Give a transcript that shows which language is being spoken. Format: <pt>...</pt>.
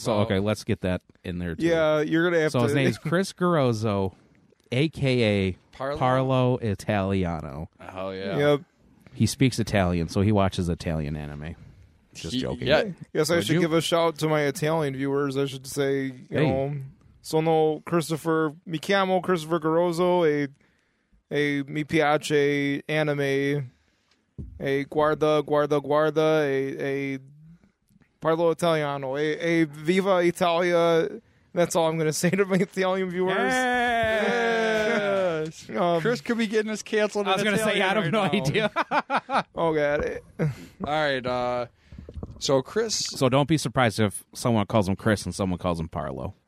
<en>So, okay. Let's get that in there, too. Yeah. You're going to have to. So, his name is Chris Garozzo, a.k.a. Parlo Italiano. Oh, yeah. Yep. He speaks Italian, so he watches Italian anime. Just joking. Yeah. Yes, I should give a shout to my Italian viewers. I should say, you know.</en> <it>Sono Christopher, mi chiamo Christopher Garozzo, a mi piace anime, a guarda, a parlo italiano, a viva Italia.</it> <en>That's all I'm going to say to my Italian viewers. Yes! Chris could be getting us canceled. I was going to say, I have no idea. Oh, God. All right. So, Chris. So, don't be surprised if someone calls him Chris and someone calls him Parlo.</en>